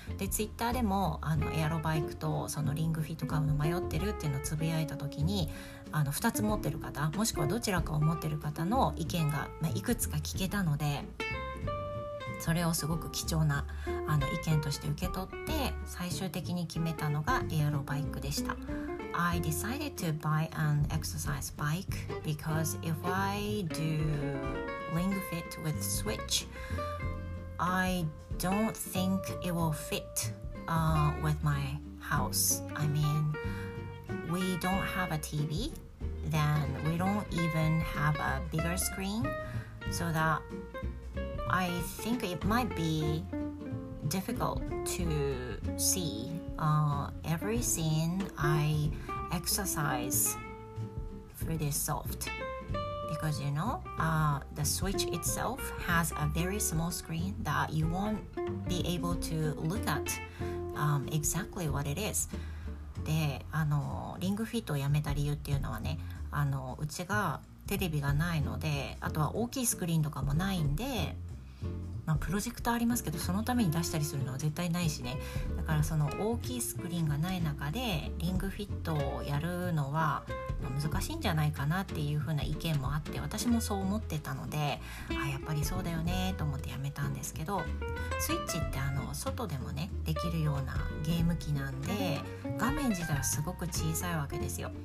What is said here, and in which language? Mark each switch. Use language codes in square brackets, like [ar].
[ja] でツイッターでもあのエアロバイクとそのリングフィット買うの迷ってるっていうのをつぶやいた時に、あの2つ持ってる方、もしくはどちらかを持ってる方の意見が、まあ、いくつか聞けたので、それをすごく貴重なあの意見として受け取って最終的に決めたのがエアロバイクでした。 [en] I decided to buy an exercise bike because if I do Ring Fit with Switch I don't think it will fit、with my house. I mean we don't have a TV, then we don't even have a bigger screen, so thatI think it might be difficult to see、every scene I exercise through this soft. Because you know,、the Switch itself has a very small screen that you won't be able to look at、exactly what it is. [ja] で、あの、リングフィットをやめた理由っていうのはね、あの、うちがテレビがないので、あとは大きいスクリーンとかもないんで、まあ、プロジェクターありますけど、そのために出したりするのは絶対ないしね。だからその大きいスクリーンがない中でリングフィットをやるのは難しいんじゃないかなっていう風な意見もあって、私もそう思ってたので、あ、やっぱりそうだよねと思ってやめたんですけど、スイッチってあの外でもねできるようなゲーム機なんで、画面自体はすごく小さいわけですよ。